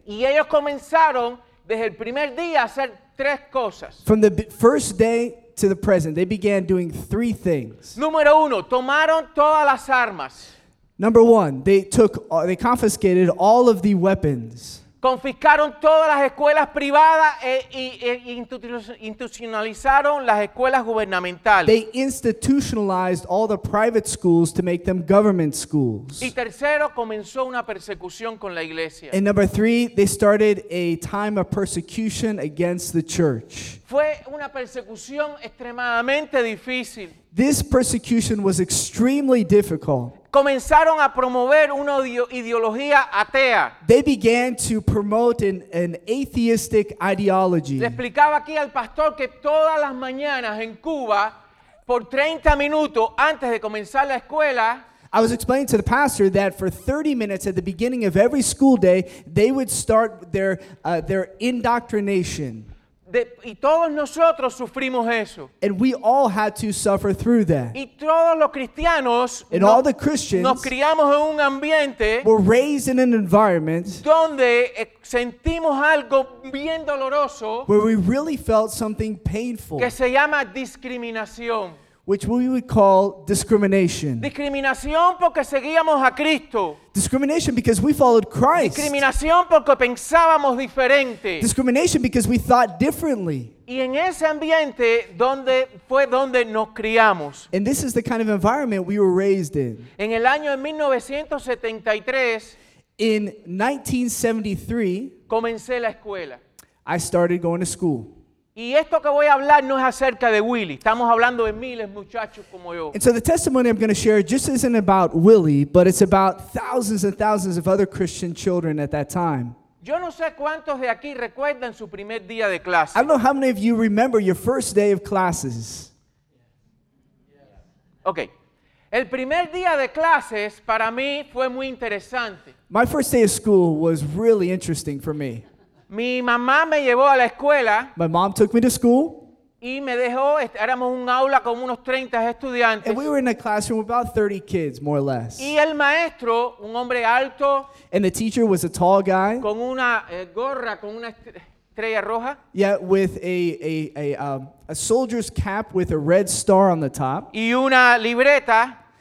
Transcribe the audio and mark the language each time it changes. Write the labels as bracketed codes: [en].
[es] Y ellos comenzaron desde el primer día a hacer tres cosas. [en] From the first day to the present, they began doing three things. [es] Número uno, tomaron todas las armas. [en] Number one, they confiscated all of the weapons. [es] Confiscaron todas las escuelas privadas e institucionalizaron las escuelas gubernamentales. [en] They institutionalized all the private schools to make them government schools. [es] Y tercero, comenzó una persecución con la iglesia. [en] And number three, they started a time of persecution against the church. [es] Fue una persecución extremadamente difícil. [en] This persecution was extremely difficult. [es] Comenzaron a promover una ideología atea. [en] They began to promote an atheistic ideology. [es] Le explicaba aquí al pastor que todas las mañanas en Cuba, por 30 minutos antes de comenzar la escuela, [en] I was explaining to the pastor that for 30 minutes at the beginning of every school day, they would start their indoctrination. [es] Y todos nosotros sufrimos eso. [en] And we all had to suffer through that. [es] Y todos los cristianos, [en] and all the Christians, [es] nos criamos en un ambiente, [en] were raised in an environment [es] donde sentimos algo bien doloroso, [en] where we really felt something painful, [es] que se llama discriminación, [en] which we would call discrimination. [es] Discriminación porque seguíamos a Cristo. [en] Discrimination because we followed Christ. [es] Discriminación porque pensábamos diferente. [en] Discrimination because we thought differently. [es] Y en ese ambiente donde fue donde nos criamos. [en] And this is the kind of environment we were raised in. [es] En el año de 1973, [en] in 1973, [es] comencé la escuela. [en] I started going to school. [es] Y esto que voy a hablar no es acerca de Willie. Estamos hablando de miles de muchachos como yo. [en] And so the testimony I'm going to share just isn't about Willie, but it's about thousands and thousands of other Christian children at that time. [es] Yo no sé cuántos de aquí recuerdan su primer día de clase. [en] I don't know how many of you remember your first day of classes. Okay. [es] El primer día de clases para mí fue muy interesante. [en] My first day of school was really interesting for me. [es] Mi mamá me llevó a la escuela. [en] My mom took me to school. [es] Y me dejó, éramos un aula con unos 30 estudiantes. [en] And we were in a classroom with about 30 kids, more or less. [es] Y el maestro, un hombre alto. [en] And the teacher was a tall guy. [es] Con una gorra, con una estrella roja. [en] Yeah, with a soldier's cap with a red star on the top. [es] Y una libreta.